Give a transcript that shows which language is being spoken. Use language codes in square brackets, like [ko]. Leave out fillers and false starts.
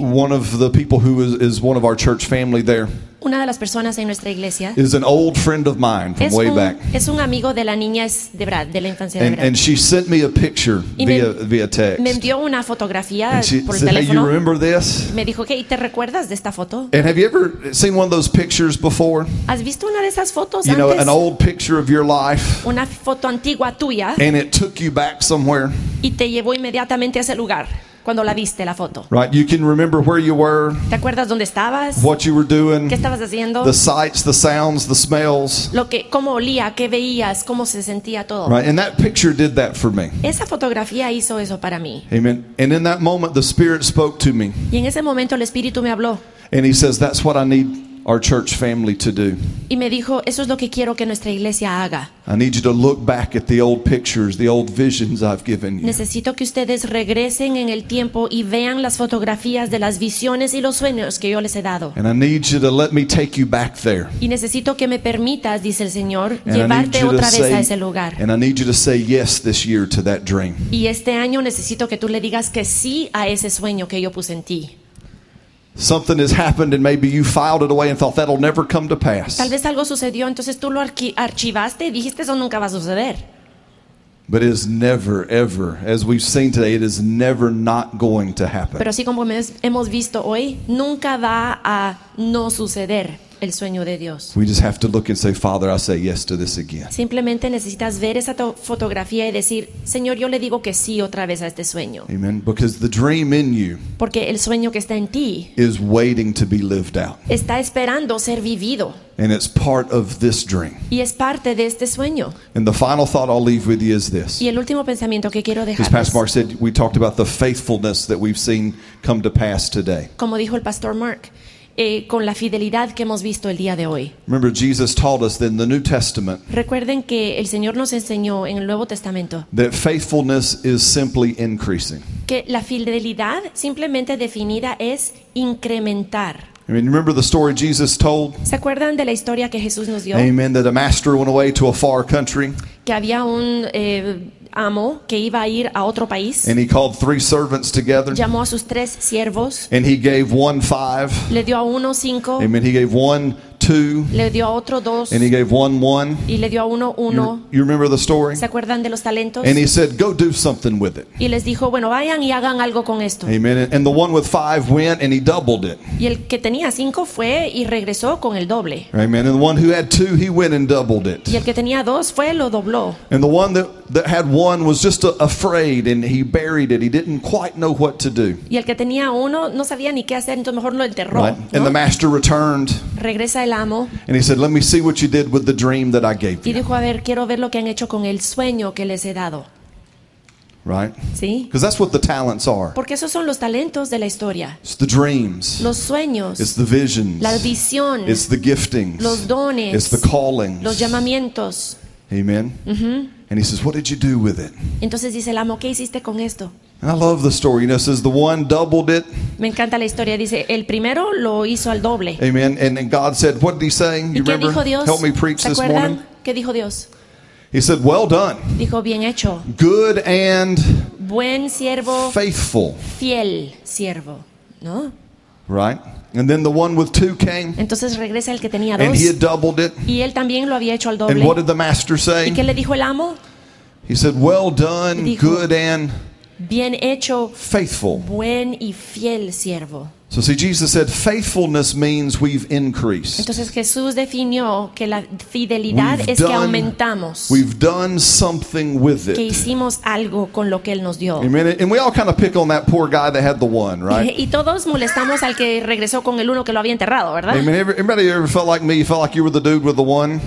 [en] One of the people who is one of our church family there. [es] Una de las personas en nuestra iglesia. [en] Is an old friend of mine from way back. [es] Es un amigo de la niñez de Brad, de la infancia [en] and, [es] de Brad. [en] And she sent me a picture via text. [es] Me envió una fotografía [en] and she [es] por [en] said, [es] el teléfono. [en] Hey, you remember this? [es] Me dijo, "¿Qué, te recuerdas de esta foto?" [en] And have you ever seen one of those pictures before? [es] ¿Has visto una de esas fotos [en] you [es] antes? [en] Know, an old picture of your life. [es] Una foto antigua tuya. [en] And it took you back somewhere. [es] Y te llevó inmediatamente a ese lugar. Cuando la viste la foto. [en] Right, you can remember where you were. [es] ¿Te acuerdas dónde estabas? [en] What you were doing. [es] ¿Qué estabas haciendo? [en] The sights, the sounds, the smells. [es] Lo que cómo olía, qué veías, cómo se sentía todo. [en] Right, and that picture did that for me. [es] Esa fotografía hizo eso para mí. [en] Amen. And in that moment the Spirit spoke to me. [es] Y en ese momento el Espíritu me habló. [en] And he says that's what I need our church family to do. [es] Y me dijo, eso es lo que quiero que nuestra iglesia haga. [en] I need you to look back at the old pictures, the old visions I've given you. [es] Necesito que ustedes regresen en el tiempo y vean las fotografías de las visiones y los sueños que yo les he dado. [en] And I need you to let me take you back there. [es] Y necesito que me permitas, dice el Señor, llevarte otra vez a ese lugar. [en] And I need you to say yes this year to that dream. [es] Y este año necesito que tú le digas que sí a ese sueño que yo puse en ti. [en] Something has happened and maybe you filed it away and thought that'll never come to pass. [es] Tal vez algo sucedió, entonces tú lo archivaste y dijiste eso nunca va a suceder. [en] But it's never ever, as we've seen today, it is never not going to happen. [es] Pero así como hemos visto hoy, nunca va a no suceder. el sueño de Dios. [en] We just have to look and say, Father, I say yes to this again. [es] Simplemente necesitas ver esa fotografía y decir, Señor, yo le digo que sí otra vez a este sueño. [en] Amen. Because the dream in you, [es] porque el sueño que está en ti, [en] is waiting to be lived out. [es] Está esperando ser vivido. [en] And it's part of this dream. [es] Y es parte de este sueño. [en] And the final thought I'll leave with you is this. [es] Y el último pensamiento que quiero dejarles. [en] As Pastor Mark said, we talked about the faithfulness that we've seen come to pass today. [es] Como dijo el Pastor Mark, con la fidelidad que hemos visto el día de hoy. [en] Remember, Jesus taught us in the New Testament. [es] Recuerden que el Señor nos enseñó en el Nuevo Testamento. [en] That faithfulness is simply increasing. [es] Que la fidelidad simplemente definida es incrementar. [en] I mean, remember the story Jesus told? [es] ¿Se acuerdan de la historia que Jesús nos dio? [en] Amen, that a master went away to a far country. [es] Que había un amo que iba a ir a otro país. [en] And he called three servants together. [es] Llamó a sus tres siervos. [en] And he gave one five. [es] Le dio a uno cinco. [en] Amen, he gave one two. [es] Le dio a otro dos. [en] And he gave one one. [es] Y le dio a uno uno. [en] You remember the story? [es] ¿Se acuerdan de los talentos? [en] And he said, go do something with it. [es] Y les dijo, bueno, vayan y hagan algo con esto. [en] Amen. And the one with five went and he doubled it. [es] Y el que tenía cinco fue y regresó con el doble. [en] Amen. And the one who had two, he went and doubled it. [es] Y el que tenía dos fue, lo dobló. [en] And the one that had one was just afraid and he buried it. He didn't quite know what to do. [es] Y el que tenía uno no sabía ni qué hacer, entonces mejor lo enterró. [en] Right? And the master returned. [es] Regresa el amo. [en] And he said, let me see what you did with the dream that I gave you. [es] Y dijo, a ver, quiero ver lo que han hecho con el sueño que les he dado. [en] Right? [es] Sí. [en] Because that's what the talents are. [es] Porque esos son los talentos de la historia. [en] It's the dreams. [es] Los sueños. [en] It's the visions. [es] La visión. [en] It's the giftings. [es] Los dones. [en] It's the callings. [es] Los llamamientos. [en] Amen. Mm-hmm. And he says, what did you do with it? [es] Entonces dice el amo, ¿qué hiciste con esto? [en] And I love the story. You know, it says the one doubled it. [es] Me encanta la historia. Dice, el primero lo hizo al doble. [en] Amen. And then God said, what did he say? You remember? [es] ¿Qué dijo Dios? [en] Help me preach this morning. [es] ¿Qué dijo Dios? [en] He said, well done. [es] Dijo, bien hecho. [en] Good and [es] buen siervo. [en] Faithful. [es] Fiel siervo. ¿No? [en] Right. And then the one with two came. [es] Entonces regresa el que tenía dos. [en] And he had doubled it. [es] Y él también lo había hecho al doble. [en] And what did the master say? [es] ¿Y qué le dijo el amo? [en] He said, well done, [es] dijo, [en] good and [es] bien hecho, [en] faithful. [es] Buen y fiel siervo. [en] So see, Jesus said faithfulness means we've increased. [es] Entonces Jesús definió que la fidelidad es que aumentamos. [en] We've done something with it. [es] Que hicimos algo con lo que él nos dio. [en] Amen. And we all kind of pick on that poor guy that had the one, right? [es] Y todos molestamos al que regresó con el uno que lo había enterrado, ¿verdad? [en] Amen. Anybody ever felt like me? You felt like you were the dude with the one?